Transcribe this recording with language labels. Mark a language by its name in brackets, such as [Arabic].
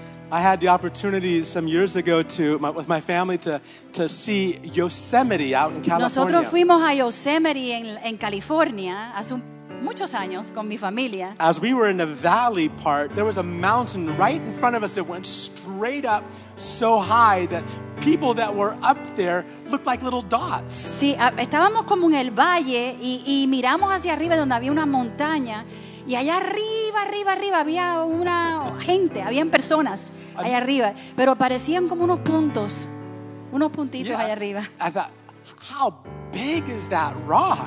[English] I had the opportunity some years ago with my family to see Yosemite out in California. [Spanish] Nosotros fuimos a Yosemite en California hace un muchos años con mi familia. [English] As we were in the valley part, there was a mountain right in front of us that went straight up so high that people that were up there looked like little dots. [Spanish] Sí, estábamos como en el valle y miramos hacia arriba donde había una montaña y allá arriba, arriba, arriba había una gente, habían personas allá arriba, pero parecían como unos puntos, unos puntitos [English] yeah, [Spanish] allá arriba. [English] I thought, how big is that rock?